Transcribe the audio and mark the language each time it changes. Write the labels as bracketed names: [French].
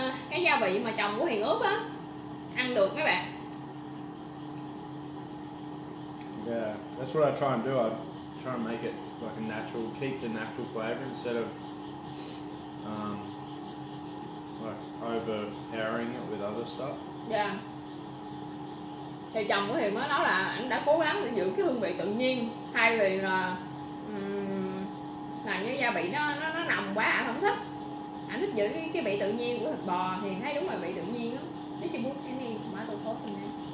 [Vietnamese] Cái gia vị mà chồng của Hiền ướp á ăn được mấy bạn. [English] Yeah, that's what I try and do. I try and make it like a natural, keep the natural flavor instead of like overpowering it with other stuff. Yeah. [Vietnamese] Thì chồng của Hiền mới nói là anh đã cố gắng để giữ cái hương vị tự nhiên thay vì là làm như gia vị nó nồng quá anh không thích. Anh thích giữ cái vị tự nhiên của thịt bò thì thấy đúng là vị tự nhiên lắm. [English] Did you put any tomato sauce in there?